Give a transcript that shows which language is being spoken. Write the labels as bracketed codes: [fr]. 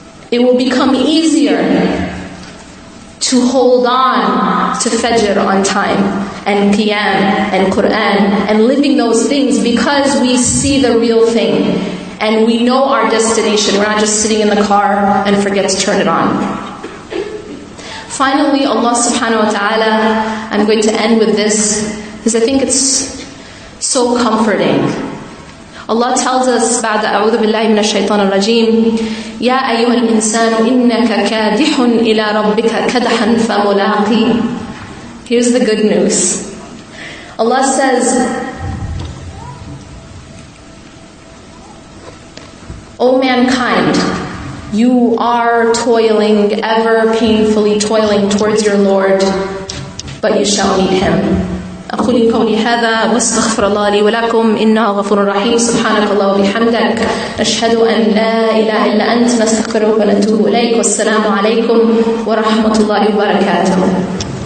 [en] It will become easier to hold on to fajr on time and qiyam and Quran and living those things because we see the real thing and we know our destination. We're not just sitting in the car and forget to turn it on. Finally, Allah subhanahu wa ta'ala, I'm going to end with this because I think it's so comforting. Allah tells us, [ar] بعد أعوذ بالله من الشيطان الرجيم يا أيها الإنسان إنك كادح إلى ربك كدحا فملاقي. [en] Here's the good news. Allah says, O mankind, you are toiling, ever painfully toiling towards your Lord, but you shall meet Him. [ar] أقول قولي هذا واستغفر الله لي ولكم إنه غفور رحيم سبحانك الله وبحمدك أشهد أن لا إله إلا أنت نستغفرك ونتوب إليك والسلام عليكم ورحمة الله وبركاته.